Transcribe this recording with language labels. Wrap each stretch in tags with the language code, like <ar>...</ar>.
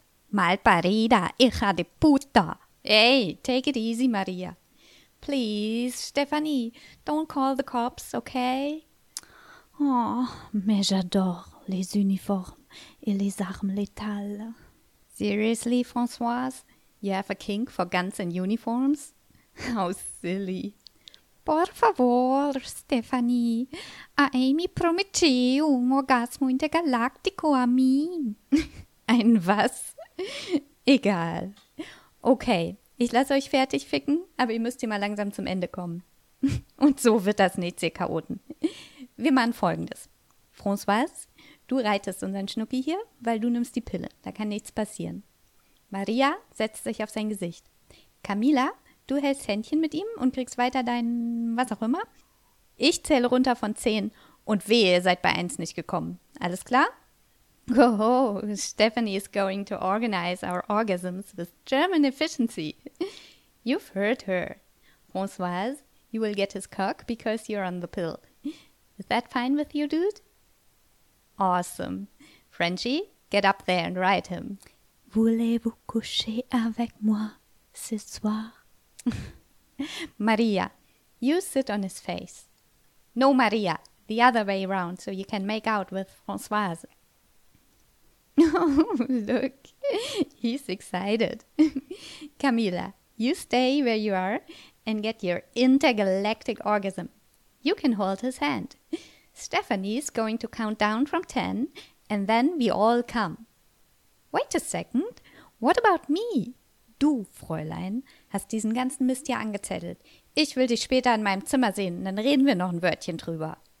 <es>Malparida, hija de puta.</es> <en>Hey, take it easy, Maria. Please, Stéphanie, don't call the cops, okay?</en> <fr>Oh, mais j'adore les uniformes et les armes létales.</fr> <en>Seriously, Françoise? You have a kink for guns and uniforms? How silly.</en> <es>Por favor,</es> <it>Stéphanie. A Amy prometti un orgasmo intergalactico a me.</it> <de>Ein was? Egal. Okay, ich lasse euch fertig ficken, aber ihr müsst hier mal langsam zum Ende kommen. Und so wird das nicht, ihr Chaoten. Wir machen Folgendes. Françoise, du reitest unseren Schnucki hier, weil du nimmst die Pille. Da kann nichts passieren. Maria setzt sich auf sein Gesicht. Camilla, du hältst Händchen mit ihm und kriegst weiter dein was auch immer. Ich zähle runter von 10 und wehe, ihr seid bei 1 nicht gekommen. Alles klar?</de> <en>Oh, Stephanie is going to organize our orgasms with German efficiency. You've heard her. Françoise, you will get his cock because you're on the pill. Is that fine with you, dude? Awesome. Frenchie, get up there and ride him.</en> <fr>Voulez-vous coucher avec moi ce soir?</fr> <en>Maria, you sit on his face. No, Maria, the other way around, so you can make out with Françoise. Oh, look, he's excited. Camilla, you stay where you are and get your intergalactic orgasm. You can hold his hand. Stephanie's going to count down from 10, and then we all come. Wait a second, what about me?</en> <de>Du, Fräulein, hast diesen ganzen Mist hier angezettelt. Ich will dich später in meinem Zimmer sehen, dann reden wir noch ein Wörtchen drüber.</de>